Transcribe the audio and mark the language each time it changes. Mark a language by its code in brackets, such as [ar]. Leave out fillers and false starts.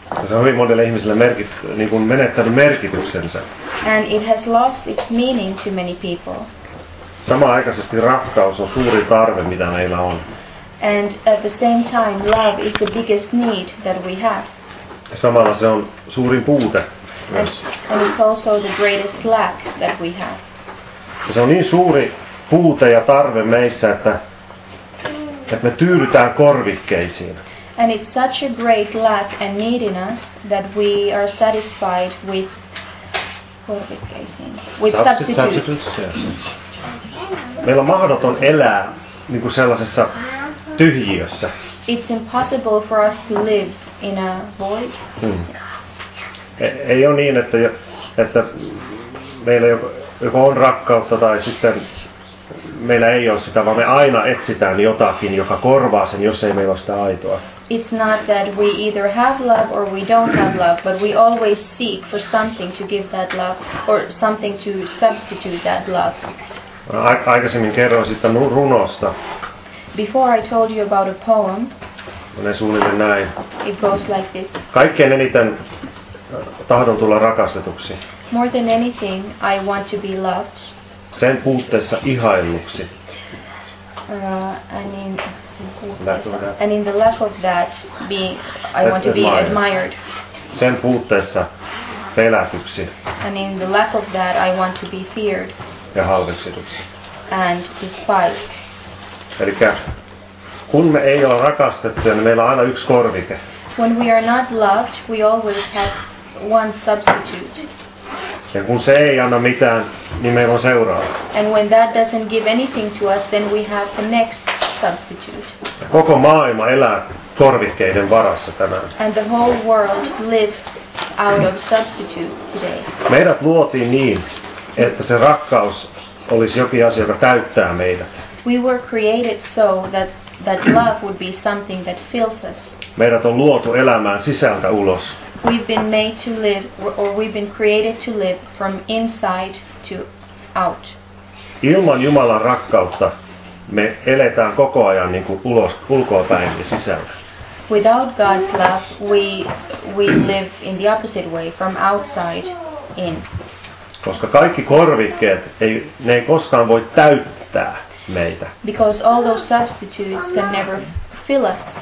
[fi] Ja se on hyvin monille ihmisille niin kuin menettänyt merkityksensä. [en] And it has lost its meaning to many people. [fi] Samanaikaisesti rakkaus on suuri tarve, mitä meillä on. [en] And at the same time, love is the biggest need that we have. [fi] Ja samalla se on suurin puute myös. [en] And it's also the greatest lack that we have. [fi] Ja se on niin suuri puute ja tarve meissä, että me tyydytään korvikkeisiin. [en] And it's such a great lack and need in us that we are satisfied with korvikkeisiin. With substitutes. [fi] Meillä on mahdoton elää niin kuin sellaisessa tyhjiössä. [en] It's impossible for us to live in a void. [fi] Ei ole niin, että meillä joko on rakkautta tai sitten meillä ei ole sitä, vaan me aina etsitään jotakin, joka korvaa sen, jos ei meillä ole sitä aitoa. [en] It's not that we either have love or we don't have love, but we always seek for something to give that love or something to substitute that love. [fi] Aikaisemmin kerroin siitä runosta. [en] Before I told you about a poem, [fi] näin. [en] It goes like this. [fi] Kaikkein eniten tahdon tulla rakastetuksi. [en] More than anything, I want to be loved. [fi] Sen puutteessa ihailluksi. [en] And in the lack of that, I want to be admired. [fi] Sen puutteessa pelätyksi. [en] And in the lack of that, I want to be feared. [fi] Ja halveksituksi. [en] And despised. [fi] Elikkä, kun me ei ole rakastettu, niin meillä on aina yksi korvike. [en] When we are not loved, we always have one substitute. [fi] Ja kun se ei anna mitään, niin meillä on seuraava. [en] And when that doesn't give anything to us, then we have the next substitute. [fi] Ja koko maailma elää korvikkeiden varassa tänään. [en] And the whole world lives out of substitutes today. [fi] Meidät luotiin niin, että se rakkaus olisi jokin asia, joka täyttää meidät. [en] We were created so that love would be something that fills us. [fi] Meidät on luotu elämään sisältä ulos. [en] We've been made to live, or we've been created to live from inside to out. [fi] Ilman Jumalan rakkautta me eletään koko ajan niin kuin ulkoa päin ja sisältä. [en] Without God's love, we live in the opposite way, from outside in. [fi] Koska kaikki korvikkeet, ne ei koskaan voi täyttää meitä. [en] Because all those substitutes can never fill us.